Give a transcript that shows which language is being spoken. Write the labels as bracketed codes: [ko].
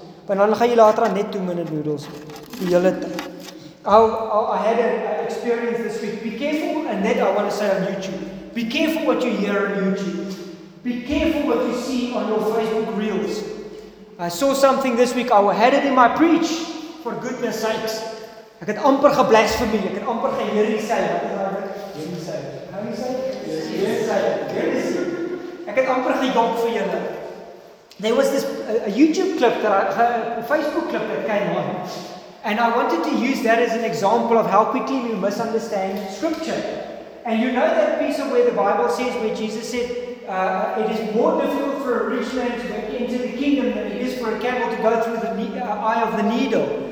[af] Want dan gaan jy later net 2 minute noodles. Die hele tyd. [en] I had an experience this week. Be careful, and that I want to say on YouTube. Be careful what you hear on YouTube. Be careful what you see on your Facebook reels. I saw something this week. I had it in my preach, for goodness sakes. [af] Ek het amper geblasphemy. Ek het amper geheresy. Wat is dit? Geheresy. [en] How do you say? [af] Geheresy. Ek het amper gedonk vir julle. [en] There was this a YouTube clip that I, a Facebook clip that came on. And I wanted to use that as an example of how quickly we misunderstand Scripture. And you know that piece of where the Bible says, where Jesus said, it is more difficult for a rich man to enter the kingdom than it is for a camel to go through the eye of the needle.